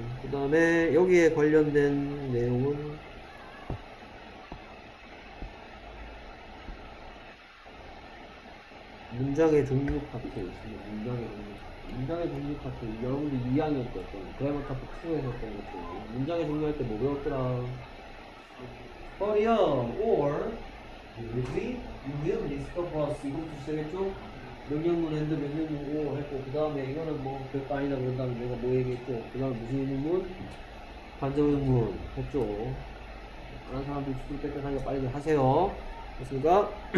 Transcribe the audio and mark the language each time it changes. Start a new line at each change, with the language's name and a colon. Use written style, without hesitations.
Korean: 그 다음에 여기에 관련된 내용은 문장의 종류 파트에 있습니다. 문장의 종류 문장의 종류 파트, 여러분들 2학년 때 어떤, 그래머 타프 2에서 어떤 것들. 문장의 종류 할 때 뭐 배웠더라?
English: Hurry up, or, you will miss the bus.
Korean: 이것도 시작했죠? 명령문 and, 명령문 or 했고, 그 다음에 이거는 뭐, 별거 아니다 그런 다음에 내가 뭐 얘기했고, 그 다음에 무슨 의문문? 반전 의문문 했죠. 아는 사람들 죽을 때까지 하니까 빨리들 하세요. 됐습니까?